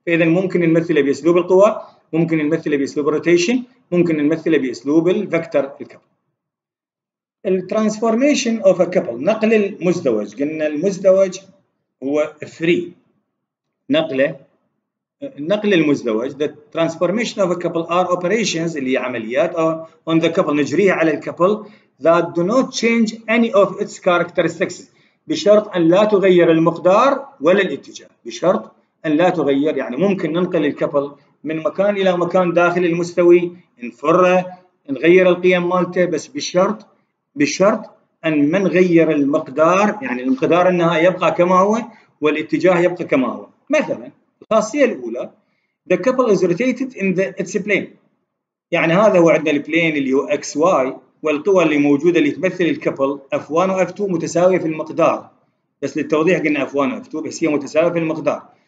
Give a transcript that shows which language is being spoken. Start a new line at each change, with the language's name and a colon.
Arabic: فإذا ممكن نمثله بأسلوب القوى، ممكن نمثله بأسلوب الروتيشن، ممكن نمثله بأسلوب الفكتر الكبل. الترانسفورميشن اوف ا كبل، نقل المزدوج، قلنا المزدوج هو 3 نقل المزدوج.
English: The transformation of a couple are operations
Arabic: اللي هي عمليات
English: on the couple
Arabic: نجريها على الكبل
English: that do not change any of its characteristics،
Arabic: بشرط أن لا تغير
English: المقدار ولا الاتجاه، بشرط أن لا تغير.
Arabic: يعني ممكن ننقل الكبل من مكان إلى مكان داخل المستوي، نفره، نغير القيم مالته، بس بشرط أن ما نغير المقدار، يعني المقدار النهائي يبقى كما هو والاتجاه يبقى كما هو. مثلا الخاصية الأولى،
English: the couple is rotated in its plane،
Arabic: يعني هذا هو عندنا البلين اللي هو XY، والقوى اللي موجودة اللي تمثل الكبل F1 و F2 متساوية في المقدار، بس للتوضيح قلنا F1 و F2 بس هي متساوية في المقدار.